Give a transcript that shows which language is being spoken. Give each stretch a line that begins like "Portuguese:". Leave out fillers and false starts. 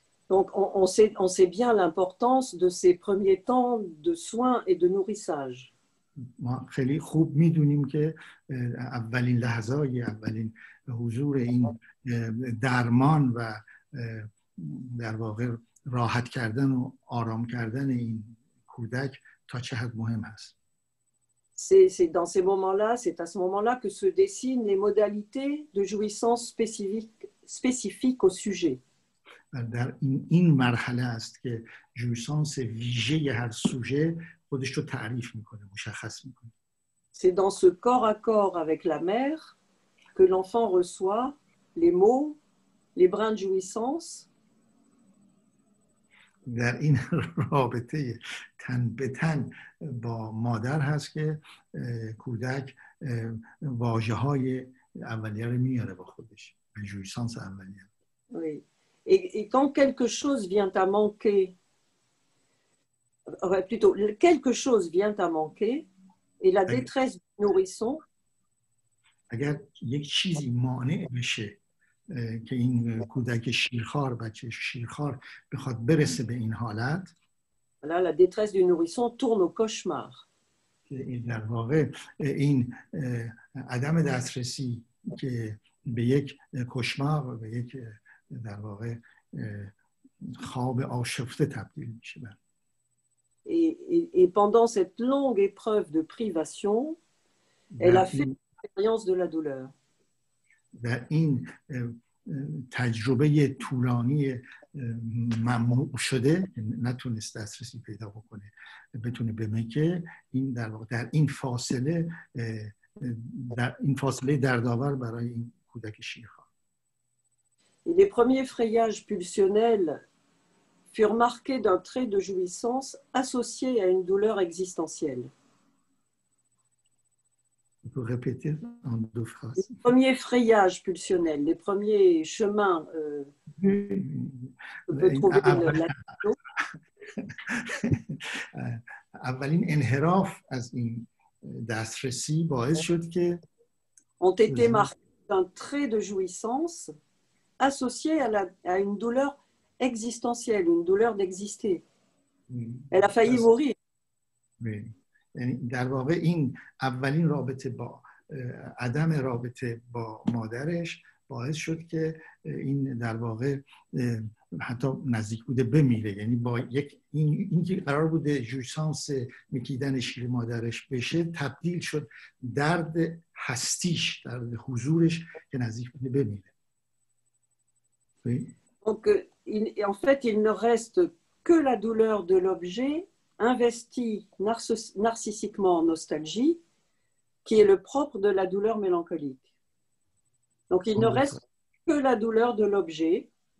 French: Donc on sait bien l'importance de ces premiers temps de soins et de nourrissage.
Persian: ما خیلی خوب میدونیم که اولین لحظه‌ای اولین حضور این درمان و در واقع راحت کردن و آرام کردن این کودک تا چه حد مهم هست.
French: C'est dans ces moments-là, c'est à ce moment-là que se dessinent les modalités de jouissance spécifiques au sujet.
Persian: در این مرحله است که جویسانس ویژه هر سوژه خودش رو تعریف میکنه، مشخص میکنه.
French: C'est dans ce corps à corps avec la mère que l'enfant reçoit les mots, les brins de jouissance.
Persian: در این رابطه تن به تن با مادر هست که کودک واژه‌های اولیه رو میاره با خودش، جویسانس اولیه.
French: Oui. Et quand quelque chose vient à manquer, plutôt quelque chose vient à manquer, et la détresse du nourrisson.
Persian: اگر یک چیزی مانع بشه که این کودک شیرخوار بچه شیرخوار بخواد برسه به این حالت.
French: Voilà, la détresse du nourrisson tourne au cauchemar.
Persian: در واقع این عدم دسترسی که به یک کشمار و به یک در واقع خواب آشفته تبدیل میشه.
French: Et pendant cette longue épreuve de privation, elle a fait l'expérience de la douleur.
Persian: و این تجربه طولانی ممنوع شده نتونست دسترسی پیدا بکنه بتونه بمه که این در واقع در این فاصله دردآور برای این کودک شیرخوار.
French: Et les premiers frayages pulsionnels furent marqués d'un trait de jouissance associé à une douleur existentielle. Vous pouvez répéter en deux phrases. Les premiers frayages pulsionnels, les premiers chemins ont été marqués d'un trait de jouissance associé à une douleur existentielle, une douleur d'exister. Elle a failli mourir. Oui.
Persian: در واقع این اولین رابطه با عدم رابطه با مادرش باعث شد که این در واقع حتی نزدیک بوده بمیره. یعنی با یک این که قرار بوده جویسانس میکیدن شیر مادرش بشه تبدیل شد درد هستیش، درد حضورش که نزدیک بوده بمیره.
French: Donc, en fait, il ne reste que la douleur de l'objet investi narcissiquement en nostalgie, qui est le propre de la douleur mélancolique. Donc, il ne reste que la douleur de l'objet.